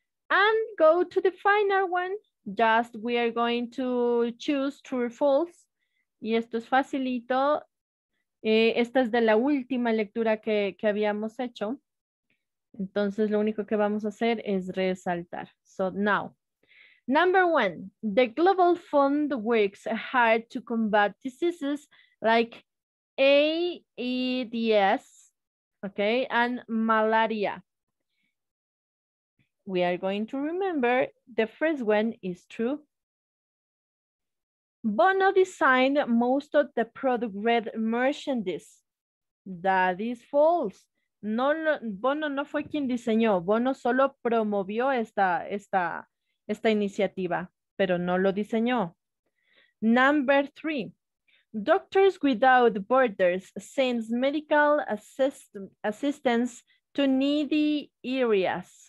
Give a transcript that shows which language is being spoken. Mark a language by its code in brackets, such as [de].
[en] And go to the final one. Just we are going to choose true or false. [es] Y esto es facilito. Esta es de la última lectura que habíamos hecho. Entonces, lo único que vamos a hacer es resaltar. [en] So, now. Number one, the Global Fund works hard to combat diseases like AIDS, okay, and malaria. We are going to remember the first one is true. Bono designed most of the product red merchandise. That is false. [es] No, Bono no fue quien diseñó. Bono solo promovió esta iniciativa, pero no lo diseñó. [en] Number three, Doctors Without Borders sends medical assistance to needy areas.